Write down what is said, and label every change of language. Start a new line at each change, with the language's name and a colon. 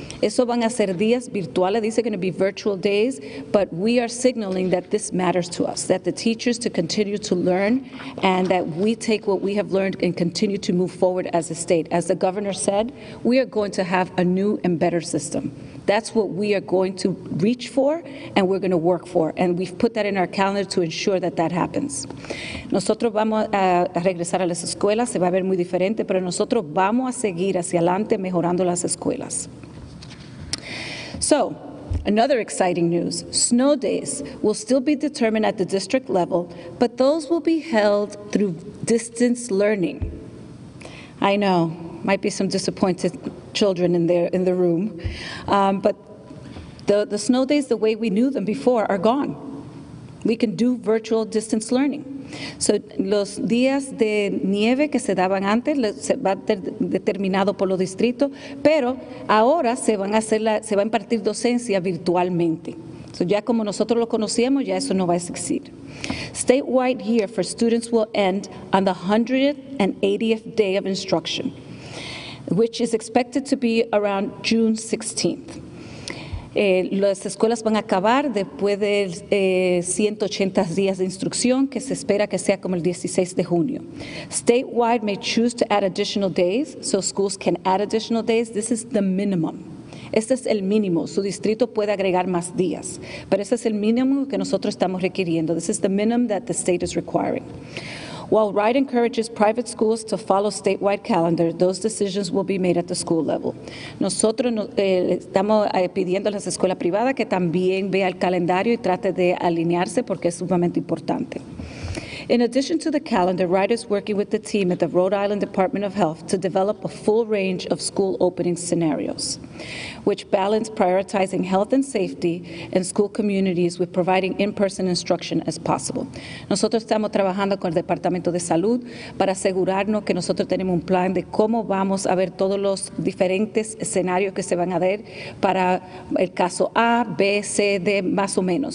Spanish: Eso van a ser días virtuales,
English: these are going to be virtual days, but we are signaling that this matters to us, that the teachers to continue to learn, and that we take what we have learned and continue to move forward as a state. As the governor said, we are going to have a new and better system. That's what we are going to reach for and we're going to work for. And we've put that in our calendar to ensure that that happens.
Spanish: Nosotros vamos a regresar a las escuelas. Se va a ver muy diferente, pero nosotros vamos a seguir hacia adelante mejorando las escuelas.
English: So, another exciting news. Snow days will still be determined at the district level, but those will be held through distance learning. I know. Might be some disappointed children in the room, but the snow days, the way we knew them before, are gone. We can do virtual distance learning.
Spanish: So los días de nieve que se daban antes se va determinado por los distritos, pero ahora se va a impartir docencia virtualmente. So ya como nosotros lo conocíamos, ya eso no va a existir.
English: Statewide year for students will end on the 180th day of instruction, which is expected to be around June 16th.
Spanish: Las escuelas van a acabar después de 180 días de instrucción, que se espera que sea como el 16 de junio.
English: Statewide may choose to add additional days, so schools can add additional days. This is the minimum.
Spanish: Este es el mínimo. Su distrito puede agregar más días. Pero ese es el mínimo que nosotros estamos requiriendo.
English: This is the minimum that the state is requiring. While RIDE encourages private schools to follow statewide calendar, those decisions will be made at the school level.
Spanish: Nosotros estamos pidiendo a las escuelas privadas que también vea el calendario y trate de alinearse porque es sumamente importante.
English: In addition to the calendar, RIDE is working with the team at the Rhode Island Department of Health to develop a full range of school opening scenarios, which balance prioritizing health and safety in school communities with providing in-person instruction as possible.
Spanish: Nosotros estamos trabajando con el Departamento de Salud para asegurarnos que nosotros tenemos un plan de cómo vamos a ver todos los diferentes escenarios que se van a ver para el caso A, B, C, D, más o menos.